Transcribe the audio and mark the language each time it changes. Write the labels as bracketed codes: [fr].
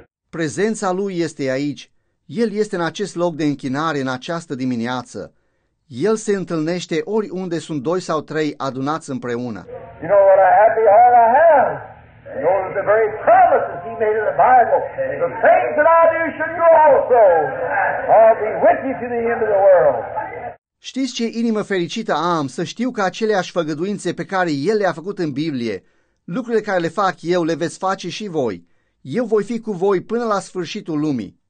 [ro] Prezența lui este aici. El este în acest loc de închinare în această dimineață. El se întâlnește oriunde sunt doi sau trei adunați împreună. [en] You know what a happy heart I have. You know the very promises he made in the Bible. The things that I do should you also. I'll be with you to the end of the world. [ro] Știți ce inimă fericită am să știu că aceleași făgăduințe pe care el le-a făcut în Biblie, lucrurile care le fac eu, le veți face și voi. Eu voi fi cu voi până la sfârșitul lumii.